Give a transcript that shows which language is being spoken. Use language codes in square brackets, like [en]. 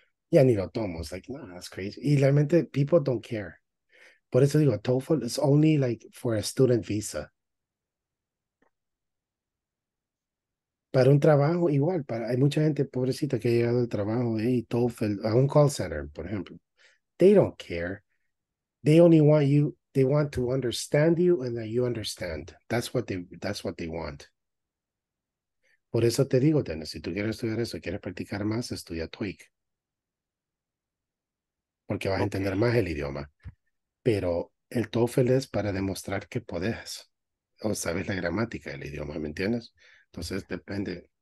[es] Ya ni lo tomo. [en] It's like, no, that's crazy. [es] Y realmente, [en] people don't care. [es] Por eso digo, [en] TOEFL is only like for a student visa. [es] Para un trabajo, igual. Hay mucha gente pobrecita que ha llegado al trabajo y TOEFL, a un call center, por ejemplo. [en] They don't care. They only want you, they want to understand you and that you understand. That's what they want. [es] Por eso te digo, Dennis, si tú quieres estudiar eso, quieres practicar más, estudia TOEIC. Porque vas a entender más el idioma. Pero el TOEFL es para demostrar que puedes. O sabes la gramática del idioma, ¿me entiendes? Entonces depende.